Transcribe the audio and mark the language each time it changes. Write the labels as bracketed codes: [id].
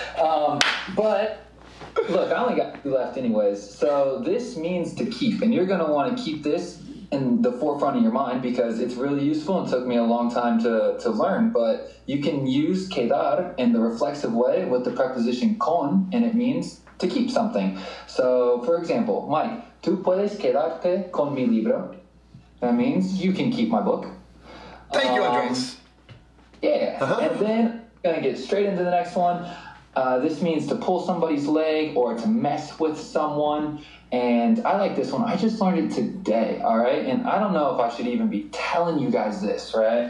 [en] But look, I only got two left anyways. So this means to keep. And you're going to want to keep this in the forefront of your mind because it's really useful and took me a long time to learn. But you can use quedar in the reflexive way with the preposition con, and it means to keep something. So for example, [es] Mike, tú puedes quedarte con mi libro. [en] That means you can keep my book. Thank you, Andres. Yeah. Uh-huh. And then I'm gonna get straight into the next one. This means to pull somebody's leg or to mess with someone. And I like this one. I just learned it today, all right? And I don't know if I should even be telling you guys this, right?